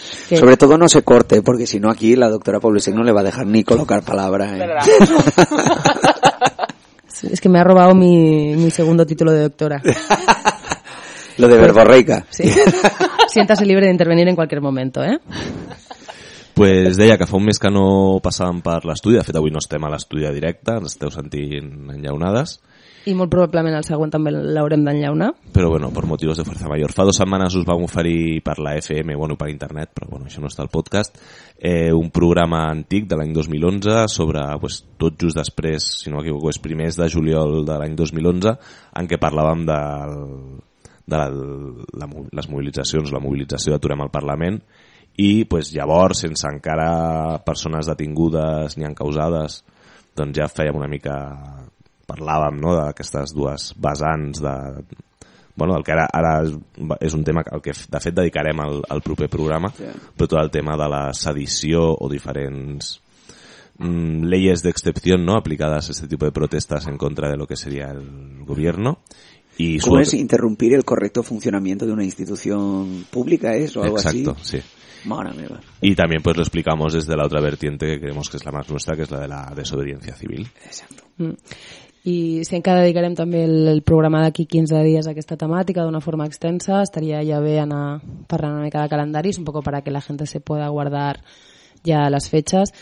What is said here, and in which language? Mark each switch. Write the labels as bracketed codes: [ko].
[es] Sobre todo no se corte, porque si no aquí la doctora Poblesek no le va a dejar ni colocar palabra. Es que me ha robado mi segundo título de doctora. Lo de Verborreica. Sí. Siéntase libre de intervenir en cualquier momento, ¿eh? [ca] Pues deia que fa un mes que no passàvem per l'estudi. De fet, avui no estem a l'estudi directe, ens esteu sentint enllaunades. I molt probablement el següent també l'haurem d'enllaunar. Però bueno, per motius de força major. Fa 2 setmanes us vam oferir per la FM, bueno, per internet, però bueno, això no està al podcast, un programa antic de l'any 2011 sobre, pues, tot just després, si no m'equivoco, és primers de juliol de l'any 2011, en què parlàvem de les mobilitzacions, la mobilització d'Aturem el Parlament. I pues, llavors, sense encara persones detingudes ni encausades, doncs ja fèiem una mica... Parlàvem, no?, d'aquestes dues vessants de... Bueno, el que ara és un tema al que, de fet, dedicarem al proper programa, yeah. Però tot el tema de la sedició o diferents leyes d'excepció, no?, aplicades a aquest tipus de protestes en contra de lo que seria el gobierno. [es] I ¿Cómo es interrumpir el correcto funcionamiento de una institución pública, es, o algo Exacto, así? Exacto, sí. Y también pues lo explicamos desde la otra vertiente que creemos que es la más nuestra, que es la de la desobediencia civil. Exacto. [ca] I si encara dedicarem també el programa d'aquí 15 dies a aquesta temàtica d'una forma extensa, estaria ja bé anar parlant una mica de calendaris, [es] un poco para que la gente se pueda guardar ya las fechas.